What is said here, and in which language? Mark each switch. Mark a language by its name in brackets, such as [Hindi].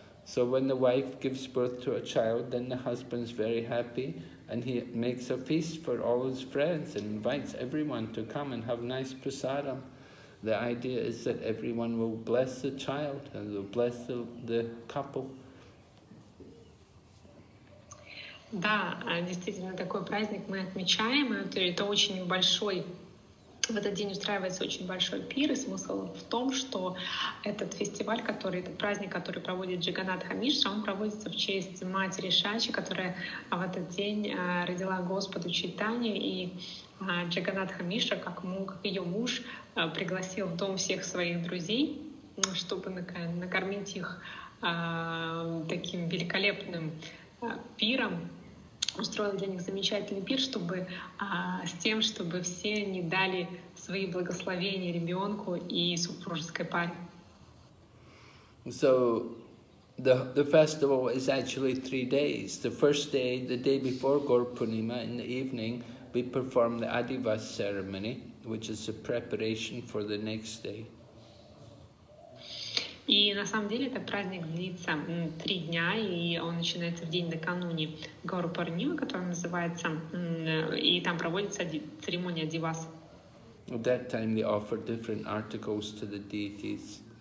[English] So when the wife gives birth to a child, then the husband's very happy, and he makes a feast for all his friends and invites everyone to come and have nice prasadam. The idea is that everyone will bless the child and will bless the couple. [Russian] Да, действительно, такой праздник мы отмечаем. Это очень большой. В этот день устраивается очень большой пир, и смысл в том, что этот фестиваль, который, этот праздник, который проводит Джаганатха Мишра, он проводится в честь матери Шачи, которая в этот день родила Господу Чайтанью, и Джаганатха Мишра, как ее муж, пригласил в дом всех своих друзей, чтобы накормить их таким великолепным пиром. Устроила для них замечательный пир, чтобы с тем, чтобы все они дали свои благословения ребенку и супружеской паре. [English] So the festival is actually 3 days. The first day, the day before Gaur Purnima, in the evening, we perform the Adivas ceremony, which is the preparation for the next day. [Russian] И на самом деле этот праздник длится 3 дня, и он начинается в день накануне Гору Парнима, который называется, и там проводится церемония Дивас. [English] At that time they offer different articles to the deities.